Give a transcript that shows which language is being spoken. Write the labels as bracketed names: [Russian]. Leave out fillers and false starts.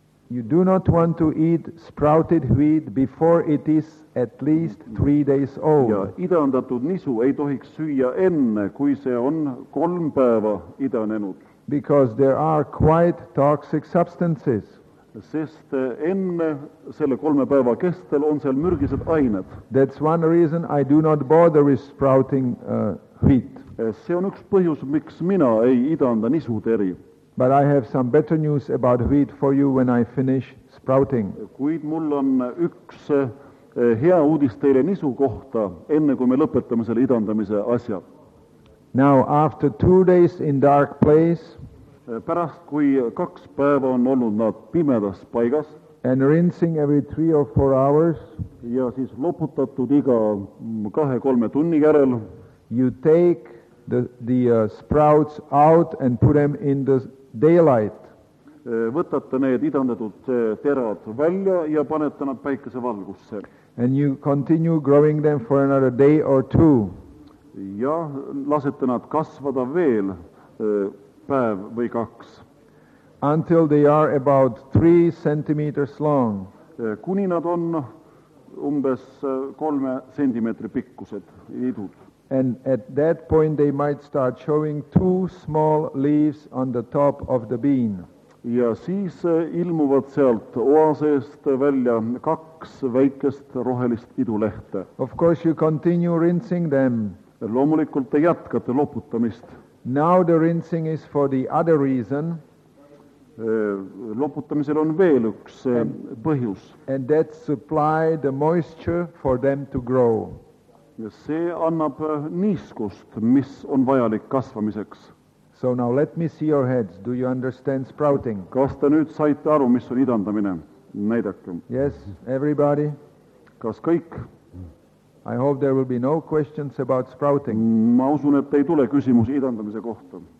[English] You do not want to eat sprouted wheat before it is at least 3 days old. [Estonian] Ja idandatud nisu ei tohiks süüa enne, kui see on 3 päeva idanenud. [English] Because there are quite toxic substances. [Estonian] Sest enne selle 3 päeva kestel on seal mürgised ained. [English] That's one reason I do not bother with sprouting wheat. [Estonian] See on üks põhjus, miks mina ei idanda nisu teri. [English] But I have some better news about wheat for you when I finish sprouting. [Estonian] Kuid mul on üks hea uudis teile nisu kohta, enne kui me lõpetame selle idandamise asja. [English] Now, after 2 days in dark place, [Estonian] pärast kui 2 päeva on olnud nad pimedas paigas, [English] and rinsing every 3 or 4 hours, [Estonian] ja siis loputatud iga 2-3 tunni järel, [English] you take the sprouts out and put them in the daylight. [Estonian] võtate need idandatud terad välja ja panete nad päikese valgusse. [English] And you continue growing them for another day or two. [Estonian] Ja lasete nad kasvada veel päev või kaks. [English] Until they are about 3 centimeters long. [Estonian] Kuni nad on umbes 3 sentimeetri pikkused idud. [English] And at that point they might start showing 2 small leaves on the top of the bean. [Estonian] Ja siis ilmuvad sealt oaseest välja 2 väikest rohelist idulehte. [English] Of course you continue rinsing them. [Estonian] Loomulikult te jätkate loputamist. [English] Now the rinsing is for the other reason. [Estonian] Loputamisel on veel üks põhjus. [English] And that supply the moisture for them to grow. [Estonian] Ja see annab niiskust, mis on vajalik kasvamiseks. [English] So now let me see your heads. Do you understand sprouting? [Estonian] Kas te nüüd saite aru, mis on idandamine? Näidake. [English] Yes, everybody. [Estonian] Kas kõik? [English] I hope there will be no questions about sprouting. [Estonian] Ma usun, et ei tule küsimus idandamise kohta.